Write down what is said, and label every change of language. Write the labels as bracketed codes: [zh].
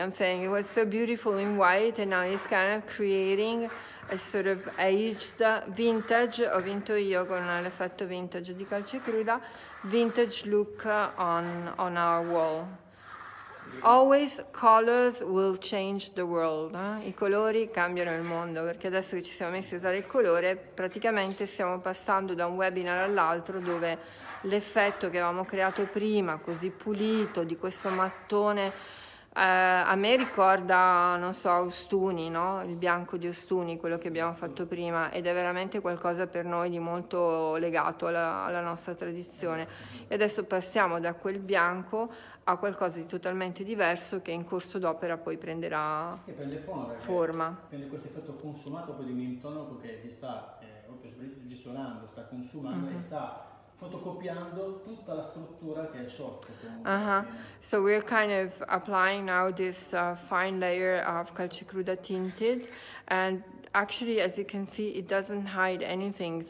[en] I'm saying it was so beautiful in white, and now it's kind of creating a sort of aged vintage. [it] Ho vinto io con l'effetto vintage di calce cruda. [en] Vintage look on our wall. Always colors will change the world. [it] Eh? I colori cambiano il mondo, perché adesso che ci siamo messi a usare il colore, praticamente stiamo passando da un webinar all'altro dove l'effetto che avevamo creato prima, così pulito, di questo mattone, a me ricorda, non so, Ostuni, no? Il bianco di Ostuni, quello che abbiamo fatto prima, ed è veramente qualcosa per noi di molto legato alla nostra tradizione. E adesso passiamo da quel bianco a qualcosa di totalmente diverso che in corso d'opera poi prenderà forma. Prende questo effetto consumato, poi di un intonaco che si sta risuonando, sta consumando, mm-hmm. E sta fotocopiando tutta la struttura che è sorta. Uh-huh. [en] So we're kind of applying now this fine layer of calce cruda tinted, and actually, as you can see, it doesn't hide anything.